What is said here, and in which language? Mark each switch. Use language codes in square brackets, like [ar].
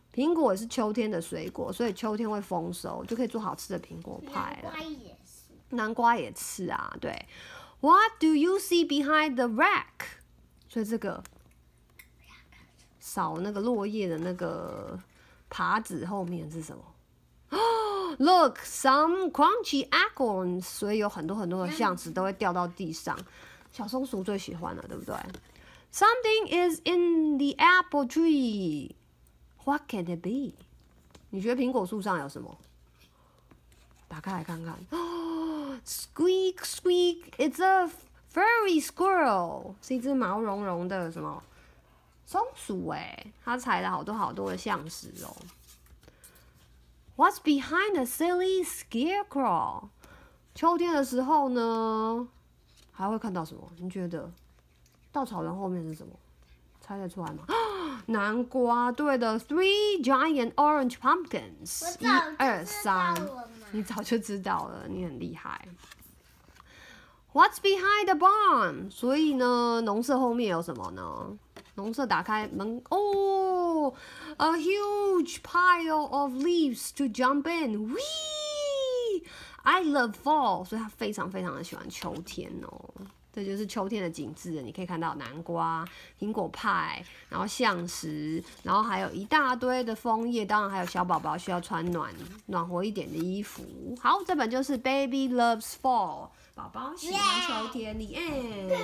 [zh] 苹果是秋天的水果，所以秋天会丰收，就可以做好吃的苹果派了。南瓜也是。南瓜也吃啊，对。 [en] What do you see behind the rack? [zh] 所以这个扫那个落叶的那个耙子后面是什么？ [en] Look, some crunchy acorns. [zh] 所以有很多很多的橡子都会掉到地上。小松鼠最喜欢了，对不对？ [en] Something is in the apple tree. What can it be? [zh] 你觉得苹果树上有什么？打开来看看。Squeak, squeak. [en] It's a furry squirrel. [zh] 是一只毛茸茸的什么松鼠欸，它采了好多好多的橡子哦。 [en] What's behind a silly scarecrow? [zh] 秋天的时候呢，还会看到什么？你觉得稻草人后面是什么？猜得出来吗？南瓜，对的。 [en] Three giant orange pumpkins. [zh] 一二三，你早就知道了，你很厉害。 [en] What's behind the barn? [zh] 所以呢，农舍后面有什么呢？农舍打开门，哦 [en] ，a huge pile of leaves to jump in. Wee, I love fall. [zh] 所以他非常非常的喜欢秋天哦。这就是秋天的景致，你可以看到南瓜、苹果派，然后橡石，然后还有一大堆的枫叶，当然还有小宝宝需要穿暖和一点的衣服。好，这本就是 Baby Loves Fall， 宝宝喜欢秋天。 [en] Yeah. The end.